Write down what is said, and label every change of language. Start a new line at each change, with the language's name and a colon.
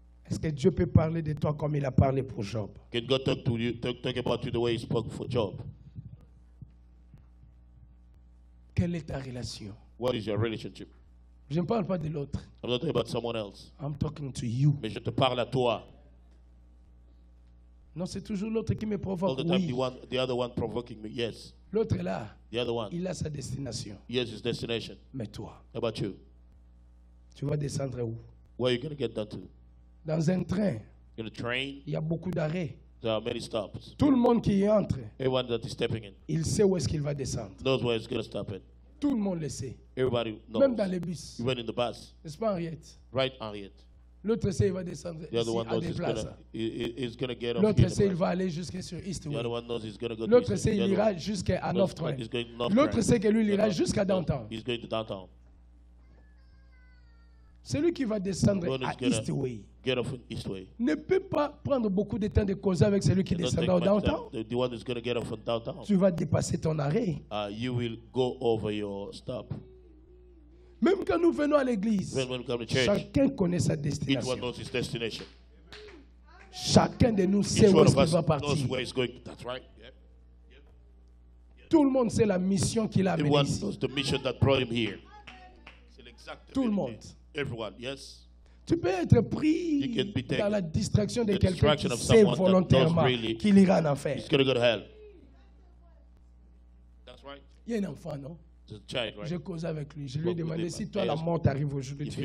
French: Est-ce que Dieu peut parler de toi comme il a parlé pour Job?
English: Can God talk to you, talk about you the way he spoke for Job?
French: Quelle est ta relation?
English: What is your relationship?
French: Je ne parle pas de l'autre.
English: I'm not talking about someone else. I'm talking to you.
French: Mais je te parle à toi. Non, c'est toujours l'autre qui me provoque.
English: All the time,
French: oui.
English: The other one provoking me. Yes.
French: L'autre est là.
English: The other one.
French: Il a sa destination.
English: He has his destination.
French: Mais toi.
English: How about you?
French: Tu vas descendre où?
English: Where are you going to get down to?
French: Dans un train.
English: In a train.
French: Il y a beaucoup d'arrêts.
English: There are many stops.
French: Tout le monde qui y entre.
English: Everyone that is stepping in.
French: Il sait où est-ce qu'il va descendre.
English: Knows where he's going to stop at.
French: Tout le monde le sait.
English: Everybody knows.
French: Même dans les bus.
English: Even in the bus.
French: N'est-ce pas Henriette?
English: Right, Henriette.
French: L'autre sait il va descendre.
English: The other one knows he's gonna, he's gonna get off.
French: L'autre sait il va aller jusqu'à sur Eastway.
English: The other one knows he's gonna go.
French: L'autre sait il ira jusqu'à North Train.
English: He's going to North Train.
French: L'autre sait que lui il ira jusqu'à downtown.
English: He's going to downtown.
French: Celui qui va descendre à Eastway.
English: Get off in Eastway.
French: Ne peut pas prendre beaucoup de temps de causer avec celui qui descend au downtown.
English: The one is going to get off in downtown.
French: Tu vas dépasser ton arrêt.
English: You will go over your stop.
French: Même quand nous venons à l'église,
English: church,
French: chacun connaît sa destination.
English: Each one knows his destination.
French: Chacun de nous sait
English: each
French: où est-ce qu'il va partir.
English: Where he's going. That's right. Yep. Yep.
French: Tout le monde sait la mission qu'il a amenée.
English: Everyone knows the mission that brought him here.
French: Tout le monde.
English: Everyone, yes.
French: Tu peux être pris dans la distraction de quelqu'un qui sait volontairement
English: really
French: qu'il ira en enfer.
English: He's gonna go to hell. That's right.
French: Il y a un enfant, non?
English: Child, right?
French: Je cause avec lui. Je lui ai demandé si toi la mort t'arrive aujourd'hui, tu